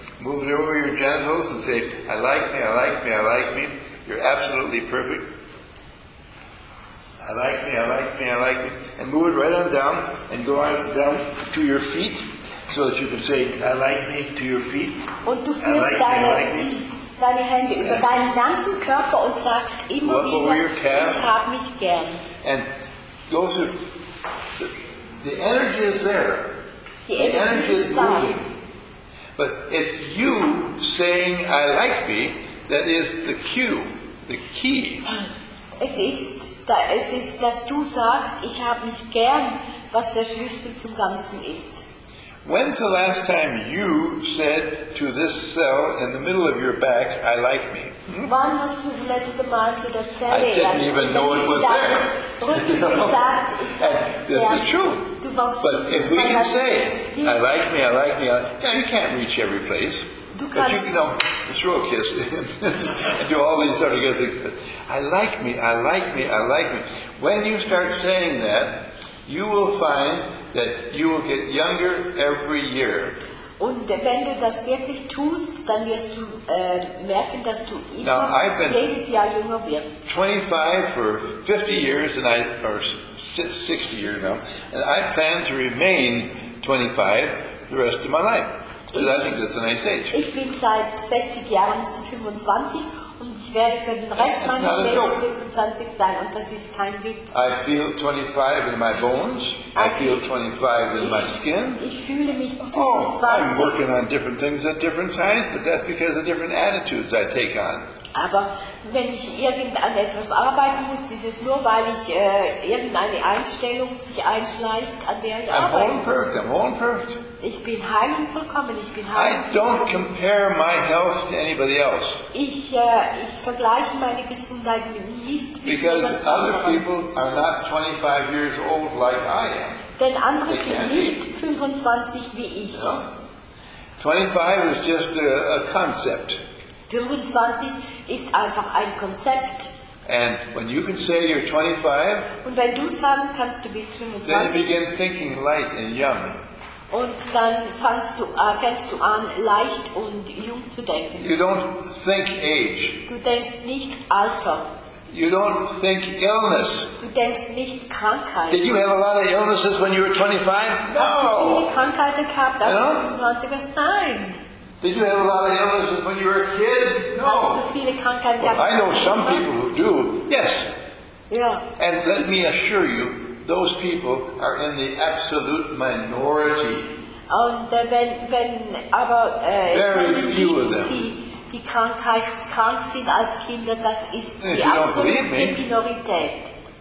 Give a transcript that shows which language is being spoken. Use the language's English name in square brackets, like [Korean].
[English] Move it over your genitals and say, I like me, I like me, I like me. You're absolutely perfect. I like me, and move it right on down, and go on down to your feet, so that you can say, I like me, to your feet. [German] Und du führst deine Hände über deinen ganzen Körper und sagst immer wieder, ich hab mich gern. [English] And go through. The energy is there. The energy is moving. But it's you saying, I like me, that is the cue, the key. [German] Es ist, dass du sagst, ich habe mich gern, was der Schlüssel zum Ganzen ist. [English] When's the last time you said to this cell in the middle of your back, I like me? [German] Wann hast du das letzte Mal zu der Zelle? [English] I didn't even know it was there. This is true. But if we can say, I like me, I like me, you can't reach every place. [German] Du [English] but you know, throw a kiss and do all these sort of good things. I like me, I like me, I like me. When you start saying that, you will find that you will get younger every year. [German] Und wenn du das wirklich tust, dann wirst du merken, dass du immer jedes Jahr jünger wirst. [English] 25 for 50 years and I or 60 years now, and I plan to remain 25 the rest of my life. Because I think that's a nice age. [German] Ich bin seit 60 Jahren 25 und ich werde für den Rest meines Lebens 25 sein und das ist kein Witz. [English] I feel 25 in my bones. I feel 25 in my skin. [German] Ich fühle mich 25. [English] I'm working on different things at different times, but that's because of different attitudes I take on. [German] Aber wenn ich irgendan etwas arbeiten muss, ist es nur, weil ich irgendeine Einstellung sich einschleicht, an der ich arbeite. [English] I'm whole and perfect. [German] Ich bin heil und vollkommen. Ich bin heil und [English] I don't compare my health to anybody else. [German] Ich vergleiche meine Gesundheit nicht mit jemand anderem. [English] Because other people are not 25 years old like I am. [German] Denn andere sind nicht 25 wie ich. [English] No. 25 is just a concept. [German] 25 ist einfach ein Konzept. [English] And when you can say you're 25, [German] und wenn du sagen kannst, du bist 25, [English] then you begin thinking light and young. [German] Und dann fängst du an, leicht und jung zu denken. [English] You don't think age. [German] Du denkst nicht Alter. [English] You don't think illness. [German] Du denkst nicht Krankheit. [English] Did you have a lot of illnesses when you were 25? [German] Hast du viele Krankheiten gehabt, als du 25 warst? Nein. [English] Did you have a lot of illnesses when you were a kid? No. [German] Hast du viele Krankheiten gehabt? [English] Well, I know some people who do. Yes. Yeah. And let me assure you, those people are in the absolute minority. [German] Und die Krankheit krank sind als Kinder, das ist die absolute Minorität.